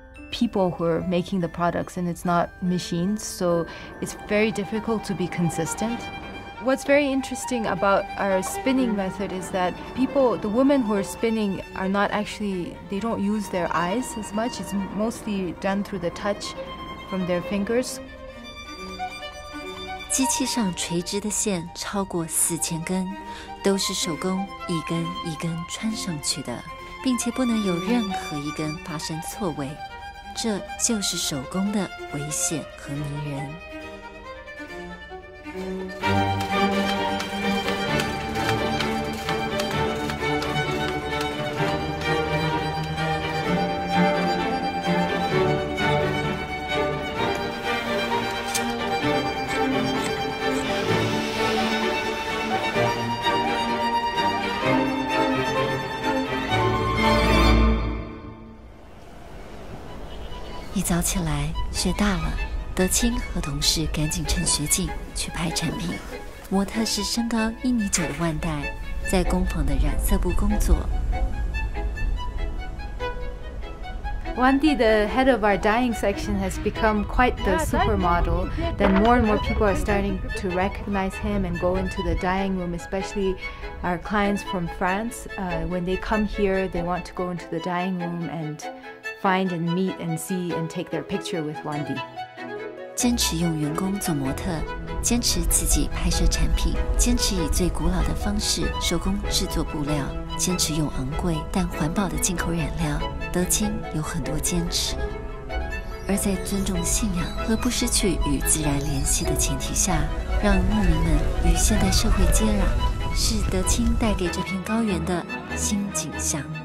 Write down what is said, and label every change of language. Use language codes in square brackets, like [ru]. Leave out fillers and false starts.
[en] People who are making the products and it's not machines, so it's very difficult to be consistent. What's very interesting about our spinning method is that people, the women who are spinning are not actually, they don't use their eyes as much. It's mostly done through the touch from their fingers. [zh] 机器上垂直的线超过4000根，都是手工一根一根穿上去的，并且不能有任何一根发生错位。这就是手工的危险和迷人。早起来，雪大了，德清和同事赶紧趁雪景去拍产品。模特是身高1.9米的万代，在工坊的染色部工作。 [en] Wandy, the head of our dyeing section, has become quite the supermodel. Then more and more people are starting to recognize him and go into the dyeing room, especially our clients from France. When they come here, they want to go into the dyeing room and find and meet and see and take their picture with Wandy. [zh] 坚持用员工做模特，坚持自己拍摄产品，坚持以最古老的方式手工制作布料，坚持用昂贵但环保的进口染料，德清有很多坚持。而在尊重信仰和不失去与自然联系的前提下，让牧民们与现代社会接壤，是德清带给这片高原的新景象。